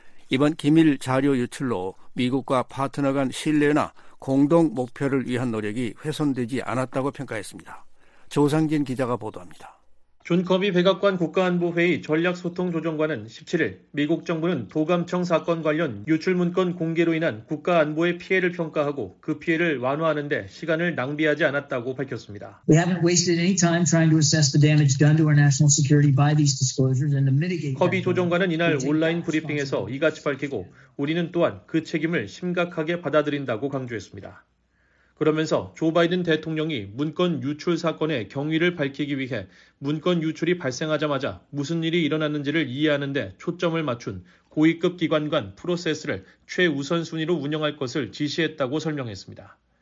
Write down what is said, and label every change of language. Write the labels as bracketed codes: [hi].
[ko] 이번 기밀 자료 유출로 미국과 파트너 간 신뢰나 공동 목표를 위한 노력이 훼손되지 않았다고 평가했습니다. 조상진 기자가 보도합니다. 존 커비 백악관 국가안보회의 전략소통조정관은 17일 미국 정부는 도감청 사건 관련 유출 문건 공개로 인한 국가안보의 피해를 평가하고 그 피해를 완화하는 데 시간을 낭비하지 않았다고 밝혔습니다. [en] We haven't wasted any time trying to assess the damage done to our national security by these disclosures and to mitigate. [ko] 커비 조정관은 이날 온라인 브리핑에서 이같이 밝히고 우리는 또한 그 책임을 심각하게 받아들인다고 강조했습니다. 그러면서 조 바이든 대통령이 문건 유출 사건의 경위를 밝히기 위해 문건 유출이 발생하자마자 무슨 일이 일어났는지를 이해하는 데 초점을 맞춘 고위급 기관 간 프로세스를 최우선순위로 운영할 것을 지시했다고 설명했습니다.